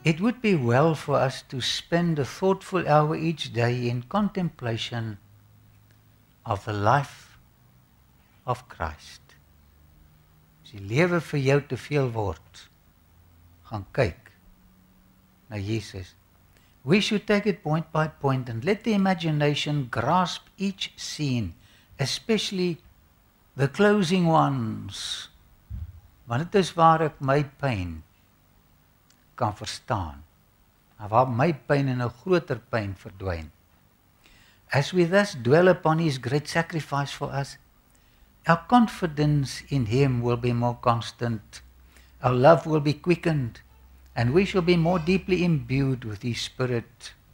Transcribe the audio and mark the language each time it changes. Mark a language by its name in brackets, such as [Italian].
[English] It would be well for us to spend a thoughtful hour each day in contemplation of the life of Christ. [Afrikaans] As die lewe vir jou te veel word, gaan kyk na Jesus. [English] We should take it point by point and let the imagination grasp each scene, especially the closing ones. [Afrikaans] Want dit is waar ek my pyn kan verstaan. En waar my pyn in 'n groter pyn verdwyn. [English] As we thus dwell upon his great sacrifice for us, our confidence in him will be more constant, our love will be quickened, and we shall be more deeply imbued with his spirit.